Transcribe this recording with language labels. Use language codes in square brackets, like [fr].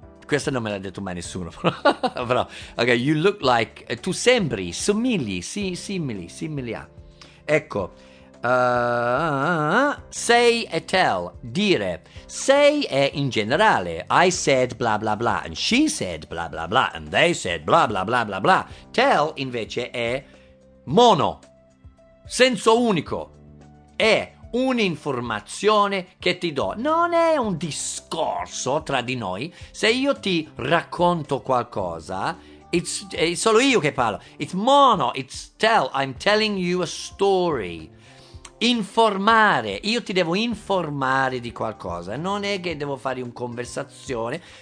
[it] Questa non me l'ha detto mai nessuno, però, ok, [en] you look like, [it] tu sembri, simili a, ecco, say e tell, dire, say è in generale, [en] I said bla bla bla, [it] and she said bla bla bla, and they said bla bla bla bla bla, tell invece è mono, senso unico, è un'informazione che ti do, non è un discorso tra di noi. Se io ti racconto qualcosa, è solo io che parlo. [en] It's mono, it's tell, I'm telling you a story. [it] Informare, io ti devo informare di qualcosa, non è che devo fare una conversazione.